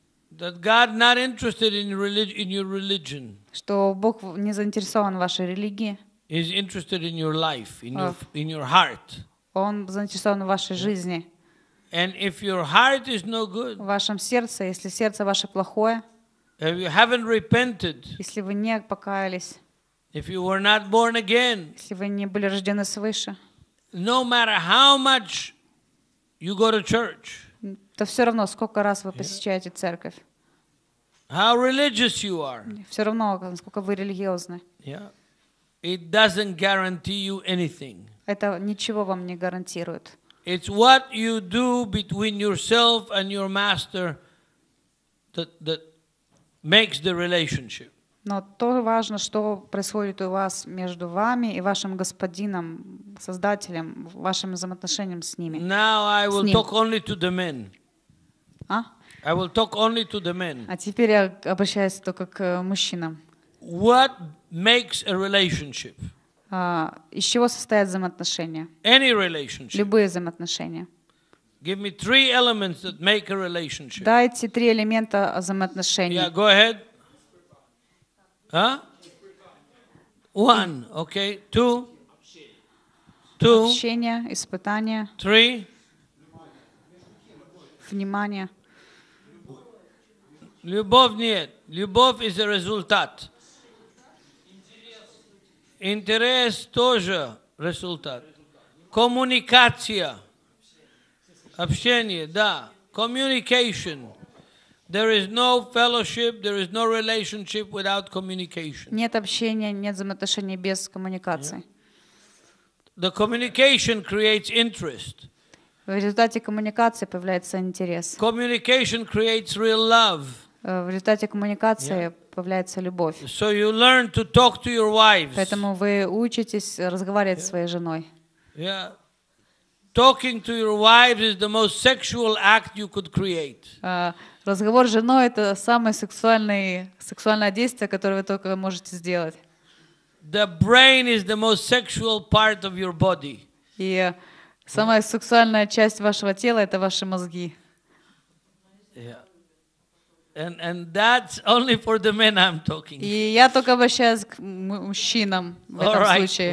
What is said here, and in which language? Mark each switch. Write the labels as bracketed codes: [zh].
[en] That God not interested in your religion. [ru] Что Бог не заинтересован в вашей религии. [en] Is interested in your life, in your heart. [ru] Он заинтересован в вашей жизни. [en] And if your heart is no good, [ru] в вашем сердце, если сердце ваше плохое, [en] If you haven't repented, [ru] если вы не покаялись, [en] if you were not born again, [ru] если вы не были рождены свыше, [en] no matter how much you go to church, [ru] то все равно, сколько раз вы посещаете церковь, [en] how religious you are, [ru] все равно, насколько вы религиозны, [en] yeah, it doesn't guarantee you anything. [ru] Это ничего вам не гарантирует. [en] It's what you do between yourself and your master that makes the relationship. [ru] Но то важно, что происходит у вас между вами и вашим господином, создателем, вашим взаимоотношением с ними. [en] Now I will talk only to the men. А? I will talk only to the men. [ru] А теперь я обращаюсь только к мужчинам. [en] What makes a relationship? [ru] Из чего состоят взаимоотношения? [en] Any relationship. [ru] Любые взаимоотношения. [en] Give me three elements that make a relationship. [ru] Дайте три элемента взаимоотношений. [en] Yeah, go ahead. Huh? One, okay. Two. Two. [ru] Общение, испытание. Three. Внимание. Любовь нет. Любовь [en] is a [ru] результат. Интерес тоже результат. Коммуникация. Общение, да. [en] Communication. There is no fellowship, there is no relationship without communication. [ru] Нет общения, нет взаимоотношений без коммуникации. [en] Yeah. The communication creates interest. [ru] В результате коммуникации появляется интерес. [en] Communication creates real love. [ru] В результате коммуникации появляется любовь. [en] So you learn to talk to your wives. [ru] Поэтому вы учитесь разговаривать со своей женой. [en] Yeah. Talking to your wives is the most sexual act you could create. [ru] Разговор с женой — это самое сексуальное действие, которое вы только можете сделать. [en] The brain is the most sexual part of your body. [ru] И самая сексуальная часть вашего тела — это ваши мозги. [en] Yeah. And that's only for the men I'm talking. [ru] И я только обращаюсь к мужчинам в этом случае.